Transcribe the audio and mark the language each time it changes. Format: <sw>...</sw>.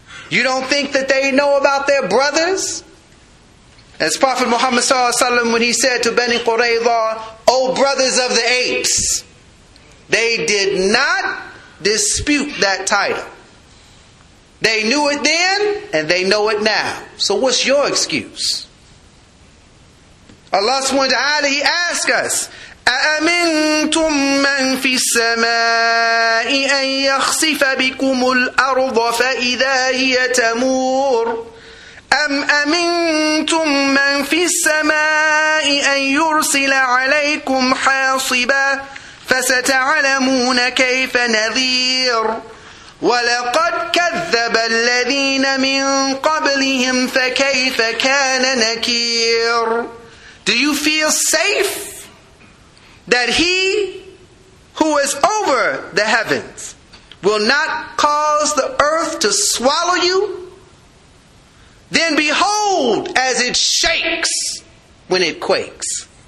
<en>You don't think that they know about their brothers? As Prophet Muhammad sallallahu alaihi wasallam, when he said to Bani Qurayza, O brothers of the apes, they did not dispute that title. They knew it then, and they know it now. So what's your excuse?</en> <ar>Allah subhanahu wa ta'ala,</ar> <en>He asked us,</en> <ar>أَأَمِنْتُمْ مَنْ فِي السَّمَاءِ أَنْ يَخْسِفَ بِكُمُ الْأَرْضَ فَإِذَا هِيَ تَمُورُ أَمْ أَمِنْتُمْ مَنْ فِي السَّمَاءِ أَنْ يُرْسِلَ عَلَيْكُمْ حَاصِبًا فَسَتَعْلَمُونَ كَيْفَ نَذِيرٌ وَلَقَدْ كَذَّبَ الَّذِينَ مِنْ قَبْلِهِمْ فَكَيْفَ كَانَ نَكِيرٌ.</ar> <en>Do you feel safe that He who is over the heavens will not cause the earth to swallow you? Then behold as it shakes when it quakes.</en>